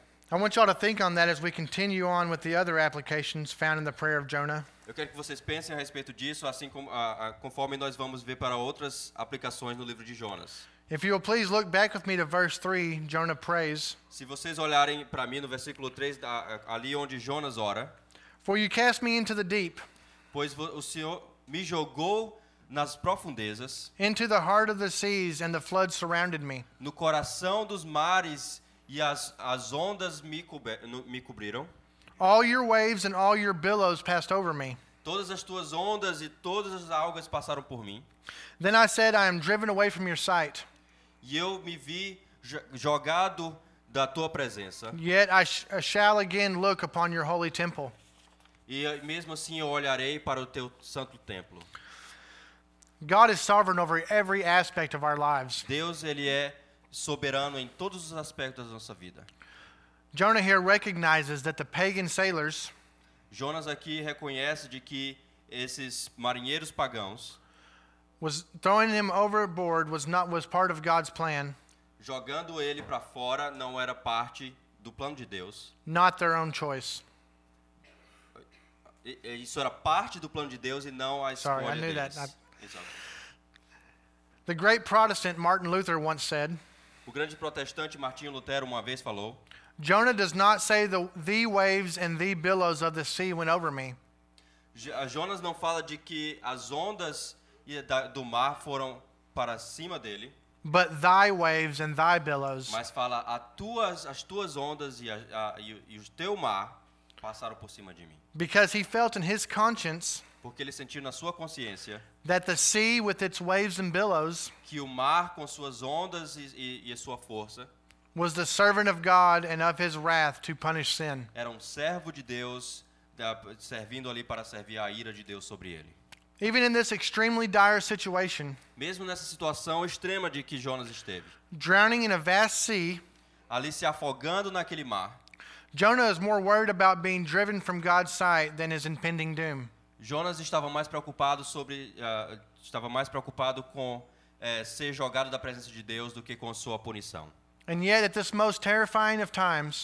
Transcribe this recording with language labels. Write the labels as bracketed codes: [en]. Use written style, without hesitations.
[en] I want y'all to think on that as we continue on with the other applications found in the prayer of Jonah. [pt] Eu quero que vocês pensem a respeito disso, assim como conforme nós vamos ver para outras aplicações no livro de Jonas. [en] If you will please look back with me to verse 3, Jonah prays. [pt] Se vocês olharem para mim no versículo 3, ali onde Jonas ora. [en] For you cast me into the deep. [pt] Pois o Senhor me jogou nas profundezas. [en] Into the heart of the seas and the flood surrounded me. [pt] No coração dos mares e as ondas me cobriram. [en] All your waves and all your billows passed over me. [pt] Todas as tuas ondas e todas as algas passaram por mim. [en] Then I said, I am driven away from your sight. [pt] E eu me vi jogado da tua presença. [en] Yet I shall again look upon your holy temple. [pt] E mesmo assim eu olharei para o teu santo templo. [en] God is sovereign over every aspect of our lives. [pt] Deus, ele é soberano em todos os aspectos da nossa vida. [en] Jonah here recognizes that the pagan sailors. [pt] Jonas aqui reconhece de que esses marinheiros pagãos [en] was throwing him overboard was part of God's plan. [pt] Jogando ele para fora não era parte do plano de Deus. [en] Not their own choice. [pt] Isso era parte do plano de Deus e não a escolha deles. [en] Sorry, I knew that. The great Protestant Martin Luther once said. [pt] O grande protestante Martinho Lutero uma vez falou. [en] Jonah does not say the waves and the billows of the sea went over me. [pt] Jonas não fala de que as ondas do mar foram para cima dele. [en] But thy waves and thy billows. [pt] Mas fala as tuas ondas e o teu mar passaram por cima de mim. [en] Because he felt in his conscience. [pt] Porque ele sentiu na sua consciência. [en] That the sea with its waves and billows. [pt] Que o mar com suas ondas e sua força. [en] Was the servant of God and of his wrath to punish sin. [pt] Era servo de Deus, servindo ali para servir a ira de Deus sobre ele. [en] Even in this extremely dire situation, [pt] mesmo nessa situação extrema de que Jonas esteve, [en] drowning in a vast sea, [pt] ali se afogando naquele mar, [en] Jonah is more worried about being driven from God's sight than his impending doom. [pt] Jonas estava mais preocupado com ser jogado da presença de Deus do que com sua punição. [en] And yet, at this most terrifying of times,